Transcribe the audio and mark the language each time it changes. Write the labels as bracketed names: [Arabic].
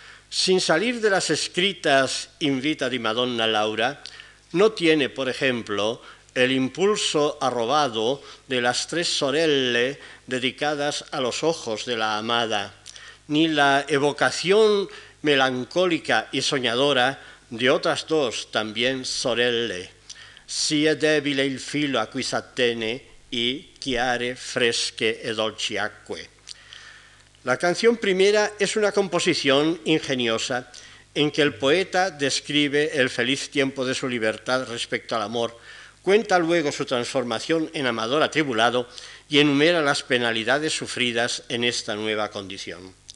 [Spanish] Sin salir de las escritas In vita di Madonna Laura, no tiene, por ejemplo, el impulso arrobado de las tres sorelle dedicadas a los ojos de la amada, ni la evocación melancólica y soñadora de otras dos también sorelle. [Italian] Si è debile il filo a cui s'attene y chiare, fresche e dolci acque. [Spanish] La canción primera es una composición ingeniosa en que el poeta describe el feliz tiempo de su libertad respecto al amor, cuenta luego su transformación en amador atribulado y enumera las penalidades sufridas en esta nueva condición.